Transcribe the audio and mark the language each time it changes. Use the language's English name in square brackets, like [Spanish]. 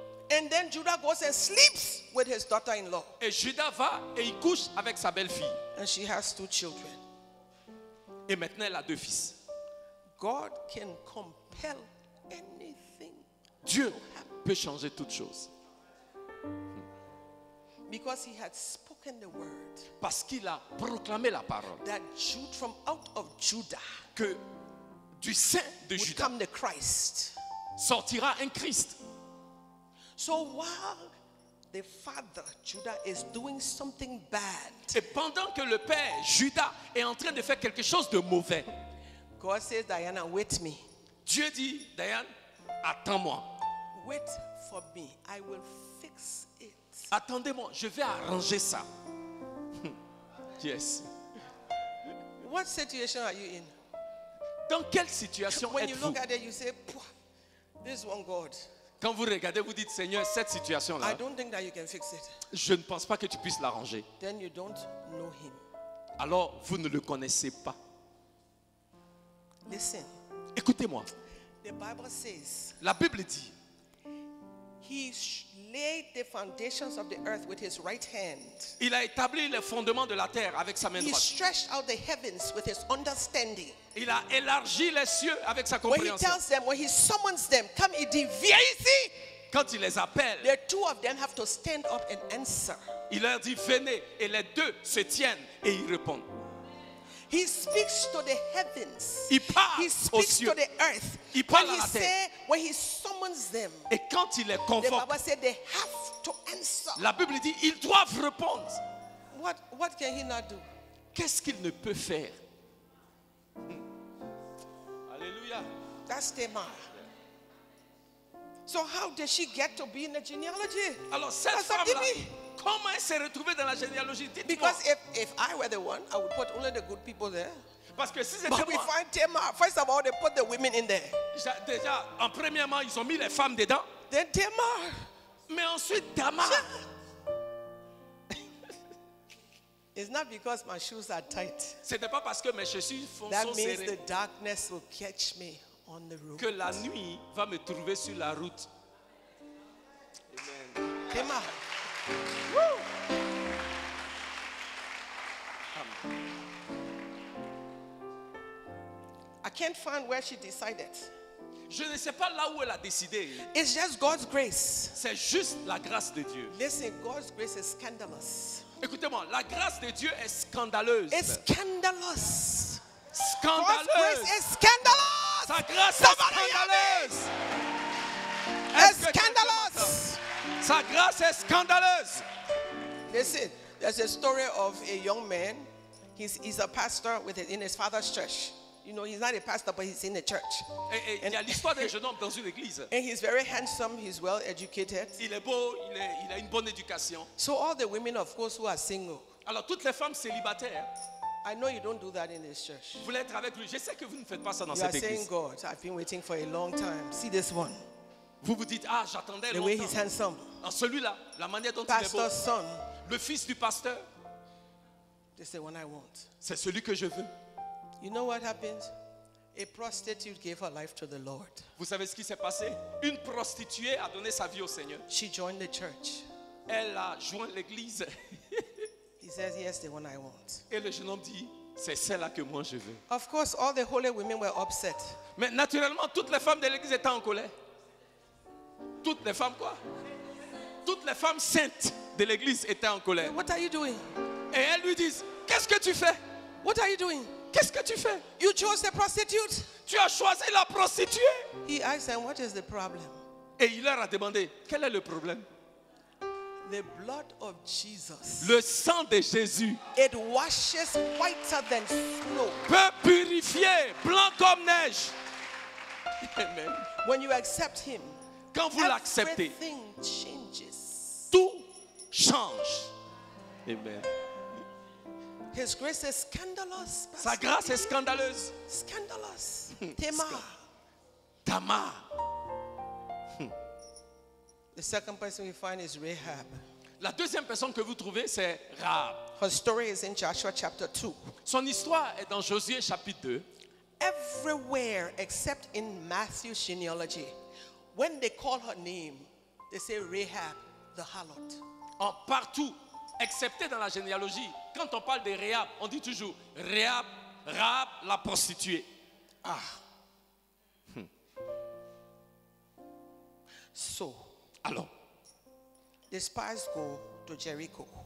[English] And then Judah goes and sleeps with his daughter-in-law. [French] Et Judas va et il couche avec sa belle-fille. [English] And she has two children. [French] Et maintenant elle a deux fils. [English] God can compel anything. [French] Dieu peut changer toutes choses. [English] Because he had spoken the word. [French] Parce qu'il a proclamé la parole. [English] That Jude, from out of Judah, [French] que du sein de Judas [English] come the Christ. [French] Sortira un Christ. [English] So while the father Judah is doing something bad, [French] et pendant que le père Judas est en train de faire quelque chose de mauvais, [English] God says, Diana, wait me. [French] Dieu dit, Diane, attends-moi. [English] Wait for me. I will fix it. [French] Attendez-moi, je vais arranger ça. [English] Yes. What situation are you in? [French] Dans quelle situation [English] When [French] êtes-vous? [English] When you look at it, you say, this one God. [French] Quand vous regardez, vous dites, Seigneur, cette situation-là, [English] I don't think that you can fix it. [French] Je ne pense pas que tu puisses l'arranger. [English] Then you don't know him. [French] Alors, vous ne le connaissez pas. [English] Listen. [French] Écoutez-moi. [English] The Bible says, [French] la Bible dit, [English] he laid the foundations of the earth with his right hand. [French] Il a établi les fondements de la terre avec sa main [English] he [French] droite. [English] He stretched out the heavens with his understanding. [French] Il a élargi les cieux avec sa compréhension. [English] When he tells them, when he summons them, come, he deviates. [French] Quand il les appelle, [English] the two of them have to stand up and answer. [French] Il leur dit venez, et les deux se tiennent et ils répondent. [English] He speaks to the heavens. [French] Il parle [English] he speaks to the earth. [French] Il parle [English] when [French] à la terre. [English] Say, when he summons them, [French] et quand il les convoque, [English] the Bible said they have to answer. [French] La Bible dit ils doivent répondre. [English] What can he not do? [French] Qu'est-ce qu'il ne peut faire? Alléluia. [English] That's Tamar. So how did she get to be in the genealogy? [French] Alors cette femme-là, comment elle s'est retrouvée dans la généalogie? Dites-moi. [English] Because if I were the one, I would put only the good people there. [French] Parce que si c'était moi, [English] we find Tamar. First of all, they put the women in there. [French] Déjà, en premièrement, ils ont mis les femmes dedans. [English] Then Tamar. [French] Mais ensuite Tamar. [English] It's not because my shoes are tight. [French] C'était pas parce que mes chaussures sont [English] that [French] serrées. [English] That means the darkness will catch me on the road. [French] Que la nuit va me trouver sur la route. [English] Amen. Tamar. I can't find where she decided. [French] Je ne sais pas là où elle a décidé. [English] It's just God's grace. [French] C'est juste la grâce de Dieu. [English] Listen, God's grace is scandalous. [French] Écoutez-moi, la grâce de Dieu est scandaleuse. [English] It's scandalous. [French] Scandaleuse. [English] God's grace is scandalous. [French] Sa grâce [English] Somebody [French] est scandaleuse. [English] It's scandalous. [French] Sa grâce est scandaleuse. [English] Listen, there's a story of a young man. He's a pastor with in his father's church. You know, he's not a pastor, but he's in the church. [French] Il y a l'histoire d'un jeune homme dans une église. [English] And he's very handsome. He's well educated. [French] Il est beau. Il a une bonne éducation. [English] So all the women, of course, who are single. [French] Alors toutes les femmes célibataires. [English] I know you don't do that in this church. [French] Vous voulez être avec lui. Je sais que vous ne faites pas ça dans [English] you [French] cette église. [English] You are saying, God, I've been waiting for a long time. See this one. [French] Vous vous dites, ah, j'attendais [English] the [French] longtemps. [English] The way he's handsome. [French] En celui-là, la manière dont [English] pastor's [French] il est beau. [English] Pastor's son. [French] Le fils du pasteur. [English] This is the one I want. [French] C'est celui que je veux. [English] You know what happened? A prostitute gave her life to the Lord. [French] Vous savez ce qui s'est passé? Une prostituée a donné sa vie au Seigneur. [English] She joined the church. [French] Elle a joint l'église. [English] He says, yes, the one I want. [French] Et le jeune homme dit, c'est celle-là que moi je veux. [English] Of course, all the holy women were upset. [French] Mais naturellement, toutes les femmes de l'église étaient en colère. Toutes les femmes quoi? Toutes les femmes saintes de l'église étaient en colère. [English] What are you doing? [French] Et elles lui disent, qu'est-ce que tu fais? [English] What are you doing? [French] Qu'est-ce que tu fais? [English] You chose the prostitute. [French] Tu as choisi la prostituée. [English] He asked them, what is the problem? [French] Et il leur a demandé, quel est le problème? [English] The blood of Jesus. [French] Le sang de Jésus. [English] It washes whiter than snow. [French] Peut purifier blanc comme neige. [English] Amen. When you accept him. [French] Quand vous l'acceptez. [English] Everything changes. [French] Tout change. Amen. [English] His grace is scandalous. [French] Sa grâce est scandaleuse. [English] Scandalous. Tamar. Tamar. The second person we find is Rahab. [French] La deuxième personne que vous trouvez c'est Rahab. [English] Her story is in Joshua chapter 2. [French] Son histoire est dans Josué chapitre 2. [English] Everywhere except in Matthew's genealogy, when they call her name, They say Rahab the harlot. [French] En partout, excepté dans la généalogie, quand on parle de Rahab, on dit toujours Rahab, Rahab la prostituée. Ah. [English] So, [French] alors, [English] the spies go to Jericho.